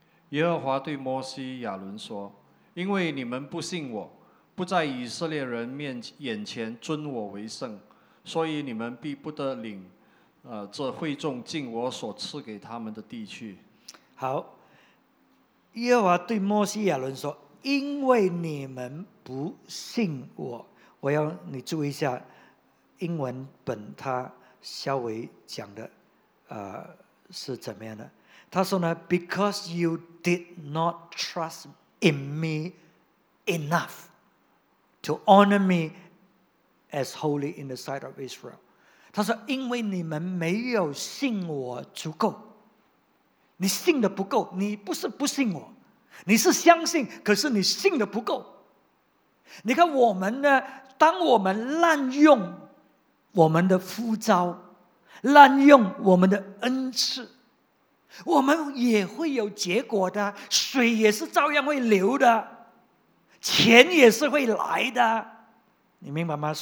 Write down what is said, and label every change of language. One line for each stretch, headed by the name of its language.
Chinese: 耶和华对摩西亚伦说，因为你们不信我，不在以色列人面眼前尊我为圣，所以你们必不得领这会众进我所赐给他们的地去。好，耶和华对摩西亚伦说，因为你们不信我，我要你注意一下英文本，他稍微讲的是怎么样的。他说呢，
English: because you did not trust in me enough to honor me as holy in the sight of Israel.
Chinese: 他说因为你们没有信我足够，你信的不够，你不是不信我，你是相信，可是你信的不够。你看我们呢，当我们滥用我们的呼召，滥用我们的恩赐，我们也会有结果的，水也是照样会流的，钱也是会来的，你明白吗？